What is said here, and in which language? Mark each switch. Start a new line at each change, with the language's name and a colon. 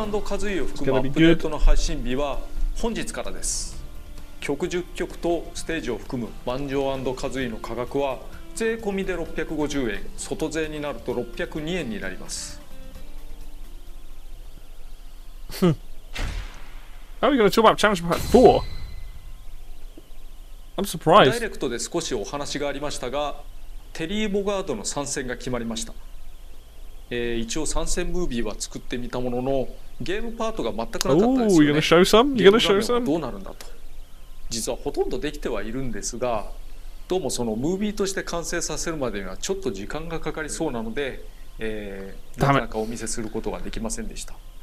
Japanese: マグロ&カズイを含むアップデートの配信日は本日からです。曲10曲とステージを含むバンジョー&カズイの価格は税込みで650円、外税になると602円になります。
English: How are we going to talk about Challenge Pack 4? I'm surprised.
Japanese: ダイレクトで少しお話がありましたが、テリー・ボガードの参戦が決まりました。一応参戦ムービーは作ってみたものの、ゲームパートが全くなかったですよね。
English: Oh, you're gonna show some? You're gonna show some?
Japanese: どうなるんだと。実はほとんどできてはいるんですが、どうもそのムービーとして完成させるまでにはちょっと時間がかかりそうなので、なかなかお見せすることができませんでした。